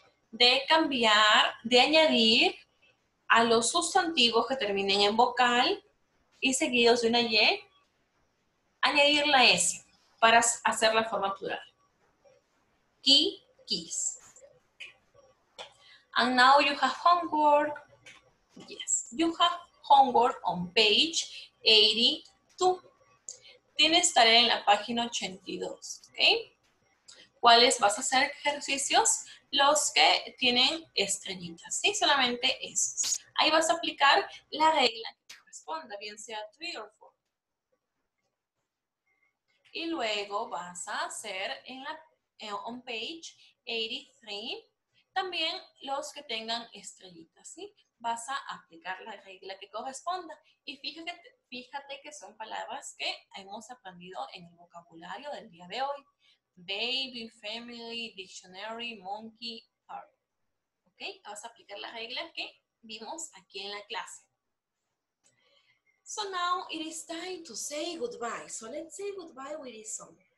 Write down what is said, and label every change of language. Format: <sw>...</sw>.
<es>De añadir a los sustantivos que terminen en vocal y seguidos de una Y, añadir la S para hacer la forma plural. Key,</es> <en>keys. And now you have homework. Yes, you have homework on page 82.</en> <es>Tienes tarea en la página 82, ¿ok? ¿Cuáles vas a hacer ejercicios? Los que tienen estrellitas, ¿sí? Solamente esos. Ahí vas a aplicar la regla que corresponda, bien sea</es> <en>three or four.</en> <es>Y luego vas a hacer en la</es> <en>on page 83</en> <es>también los que tengan estrellitas, ¿sí? Vas a aplicar la regla que corresponda. Y fíjate que son palabras que hemos aprendido en el vocabulario del día de hoy.</es> <en>Baby, family, dictionary, monkey, park. ¿Ok?</en> <es>Vas a aplicar la regla que vimos aquí en la clase.</es> <en>So now it is time to say goodbye. So let's say goodbye with this song.</en>